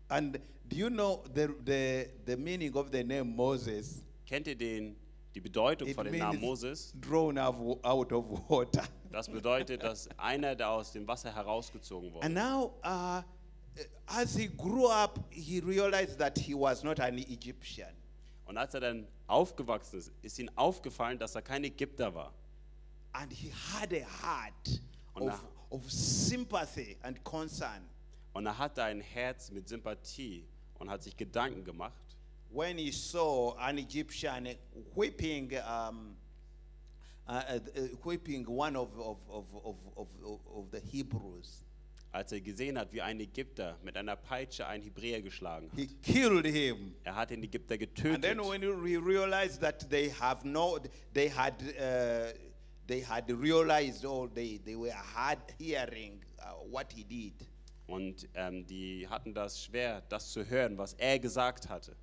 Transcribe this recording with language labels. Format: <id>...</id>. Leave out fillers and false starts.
<en>And do you know the meaning of the name Moses?</en> <de>Kennt ihr die Bedeutung von dem Namen Moses?</de> <en>Drawn out of water.</en> <de>Das bedeutet, dass einer, der aus dem Wasser herausgezogen wurde.</de> <en>And now, as he grew up, he realized that he was not an Egyptian.</en> <de>Und als er dann aufgewachsen ist, ist ihm aufgefallen, dass er kein Ägypter war.</de> <en>And he had a heart of sympathy and concern.</en> <de>Und er hatte ein Herz mit Sympathie und hat sich Gedanken gemacht.</de> <en>When he saw an Egyptian whipping one of the Hebrews.</en> <de>Als er gesehen hat, wie ein Ägypter mit einer Peitsche einen Hebräer geschlagen hat.</de> <en>He killed him.</en> <de>Er hat den Ägypter getötet.</de> <en>And then when he realized that they had realized all they were hard hearing what he did.</en> <de>Und die hatten das schwer, das zu hören, was er gesagt hatte.</de>